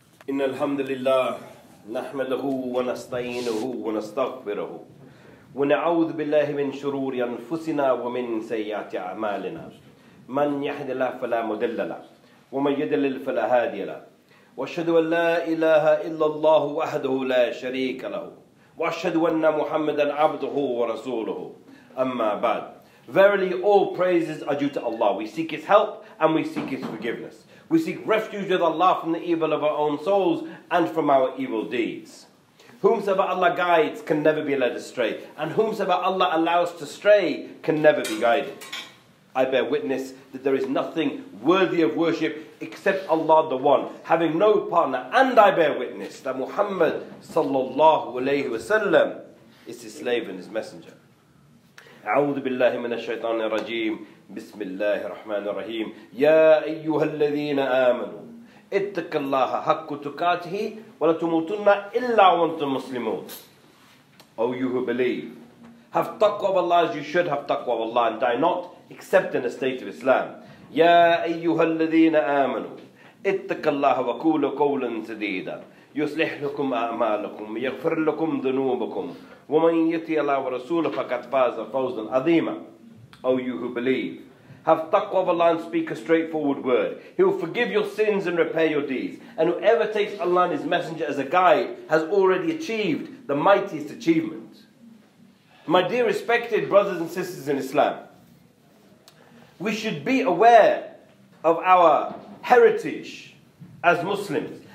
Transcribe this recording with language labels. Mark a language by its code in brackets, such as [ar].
[ar] إن الحمد لله نحمده ونستعينه ونستغفره ونعوذ بالله من شرور أنفسنا ومن سيئات أعمالنا من يهد الله فلا مضل له ومن يضلل فلا هادي له وأشهد أن لا إله إلا الله وحده لا شريك له وأشهد أن محمدا عبده ورسوله أما بعد. [en] Verily, all praises are due to Allah. We seek His help and we seek His forgiveness. We seek refuge with Allah from the evil of our own souls and from our evil deeds. Whomsoever Allah guides can never be led astray, and whomsoever Allah allows to stray can never be guided. I bear witness that there is nothing worthy of worship except Allah the One, having no partner. And I bear witness that Muhammad sallallahu alayhi wasallam is His slave and His messenger. [ar] أعوذ بالله من الشيطان الرجيم بسم الله الرحمن الرحيم يا أيها الذين آمنوا اتق الله حق تقاته ولا تموتن إلا وأنتم مسلمون. [en] O you who believe, have taqwa of Allah as you should have taqwa of Allah, and die not except in a state of Islam. [ar] يا أيها الذين آمنوا اتق الله وقولوا قولا سديدا يصلح لكم أعمالكم يغفر لكم ذنوبكم وَمَنْ يَتِيَ اللَّهُ وَرَسُولَهُ فَقَدْ فَازَ فَوْزًا عَظِيمًا. [en] O you who believe, have taqwa of Allah and speak a straightforward word. He will forgive your sins and repair your deeds. And whoever takes Allah and His Messenger as a guide has already achieved the mightiest achievement. My dear respected brothers and sisters in Islam, we should be aware of our heritage as Muslims.